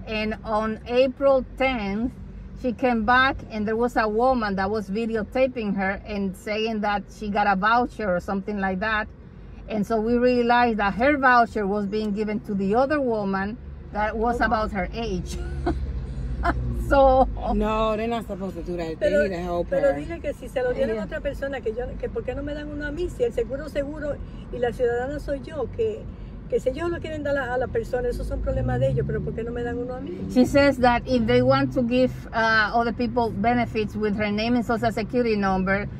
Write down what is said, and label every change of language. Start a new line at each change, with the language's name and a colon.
English: And on April 10th, she came back and there was a woman that was videotaping her and saying that she got a voucher or something like that. And so we realized that her voucher was being given to the other woman that was about her age. So no, they're not supposed to do that. They need to help her.
Spanish: Pero dile que si se lo dieron a otra persona que yo que por qué no me dan uno a mí si el seguro y la ciudadana soy yo que si ellos lo quieren dar a la persona esos son problemas de ellos pero por qué no me dan uno a mí.
English: She says that if they want to give other people benefits with her name and social security number,